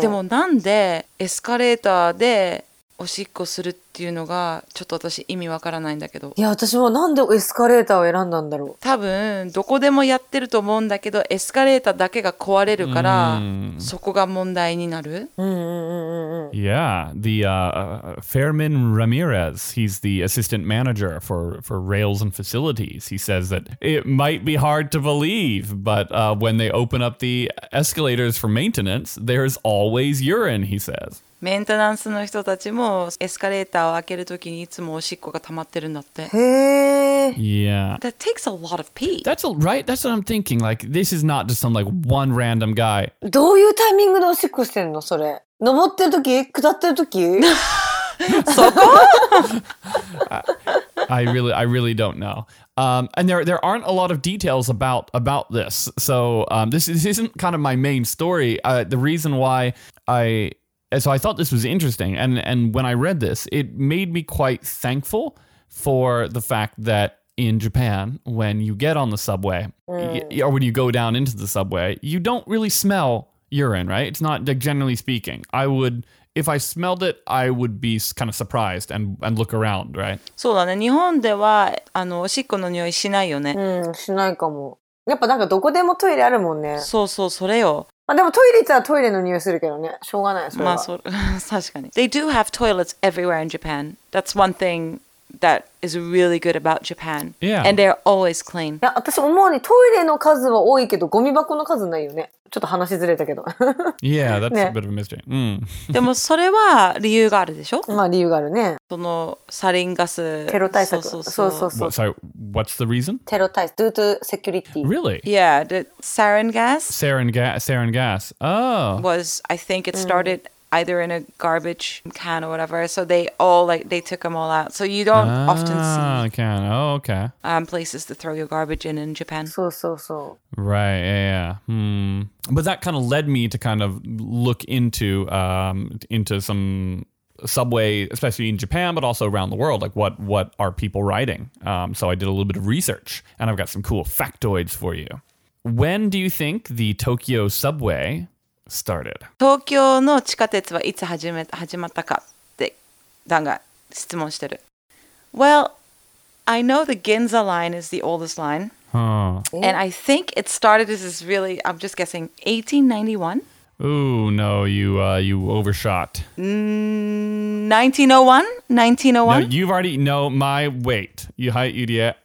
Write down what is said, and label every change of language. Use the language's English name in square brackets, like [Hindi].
[Japanese] でもなんでエスカレーターでおしっこするっていうのがちょっと私意味わからないんだけど。いや、私もなんでエスカレーターを選んだんだろう。多分どこでもやってると思うんだけど、エスカレーターだけが壊れるから、そこが問題になる。 [English] Yeah, the Fermin Ramirez, he's the assistant manager for rails and facilities. He says that it might be hard to believe, but when they open up the escalators for maintenance, there's always urine, he says. [Japanese] メンテナンスの人たちもエスカレーターを開けるときにいつもおしっこが溜まってるんだって。へ [English] え。Yeah. That takes a lot of pee. That's right. That's what I'm thinking. Like, this is not just some like one random guy. [Japanese] どういうタイミングでおしっこしてんのそれ？登ってるとき？下ってるとき？そこ？ [English] I really don't know. And there aren't a lot of details about this. So this isn't kind of my main story. The reason why So I thought this was interesting, and when I read this, it made me quite thankful for the fact that in Japan, when you get on the subway, or when you go down into the subway, you don't really smell urine, right? It's not, like, generally speaking. If I smelled it, I would be kind of surprised and look around, right? [Japanese] そうだね。日本では、あの、おしっこの匂いしないよね。うん、しないかも。やっぱなんかどこでもトイレあるもんね。そうそう、それよ。まあ、でもトイレ行ったらトイレの匂いするけどね。しょうがない、それは。まあ、そう、確かに。 [English] They do have toilets everywhere in Japan. That's one thing that is really good about Japan. Yeah. And they're always clean. [Japanese] いや、私思うにトイレの数は多いけど、ゴミ箱の数ないよね。ちょっと話ずれたけど。 [English] Yeah, that's、 [Japanese] ね、 [English] a bit of a mystery.、Mm. [Japanese] でもそれは理由があるでしょ？まあ理由があるね。そのサリンガス。テロ対策。そう。 [English] Sorry, what's the reason? [Japanese] テロ対策。 [English] Due to security. Really? Yeah, the sarin gas. Sarin gas. Oh. Was, I think it started...、Mm. Either in a garbage can or whatever. So they all, like, they took them all out. So you don't often see can. Oh, okay. Places to throw your garbage in Japan. So. Right, yeah. But that kind of led me to kind of look into some subway, especially in Japan, but also around the world. Like, what are people writing? So I did a little bit of research, and I've got some cool factoids for you. When do you think the Tokyo subway... started. [Japanese] 東京の地下鉄はいつ始まったかってダンが質問してる。 [English] Well, I know the Ginza line is the oldest line. And I think it started, this is really, I'm just guessing, 1891? Ooh, no, you overshot. 1901? No, you've already, no, my, wait. You, hi, Yudia.